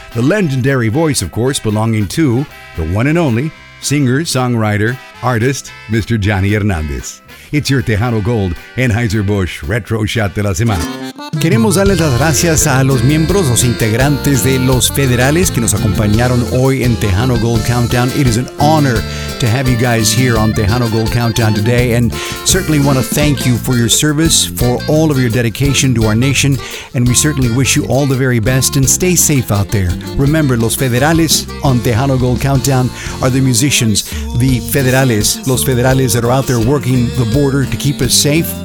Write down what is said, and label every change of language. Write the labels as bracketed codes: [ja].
[en] The legendary voice, of course, belonging to the one and only singer, songwriter, artist, Mr. Johnny Hernandez. It's your Tejano Gold Anheuser-Busch Retro Shot de la Semana. [es] Queremos darles las gracias a los miembros, los integrantes de los federales que nos acompañaron hoy en Tejano Gold Countdown. [en] It is an honor to have you guys here on Tejano Gold Countdown today, and certainly want to thank you for your service, for all of your dedication to our nation, and we certainly wish you all the very best, and stay safe out there. Remember, los federales on Tejano Gold Countdown are the musicians, the federales, los federales that are out there working the border to keep us safe.